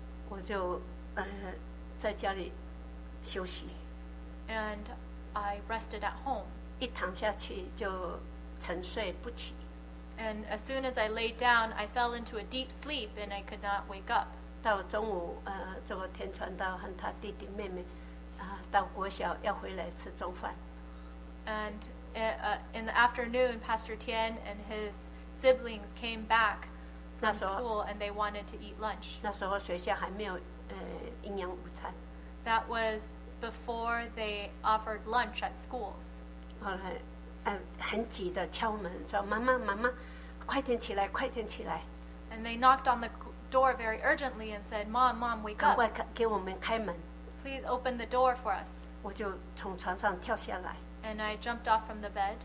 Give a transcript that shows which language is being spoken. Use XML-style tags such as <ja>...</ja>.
<zh>我就在家里休息</zh> <en>and I rested at home</en> <zh>一躺下去就沉睡不起</zh> <en>and as soon as I laid down I fell into a deep sleep and I could not wake up</en> <zh>到中午这个天传道和他弟弟妹妹到国小要回来吃中饭</zh> <en>and in the afternoon Pastor Tian and his siblings came backschool and they wanted to eat lunch.</en> <zh>那时候学校还没有营养午餐。</zh> <en>That was before they offered lunch at schools.</en> <zh>后来很急的敲门说妈妈妈妈快点起来快点起来。</zh> <en>And they knocked on the door very urgently and said, Mom, Mom, wake up.</en> <zh>赶快给我们开门。</zh> <en>Please open the door for us.</en> <zh>我就从床上跳下来。</zh> <en>And I jumped off from the bed.</en>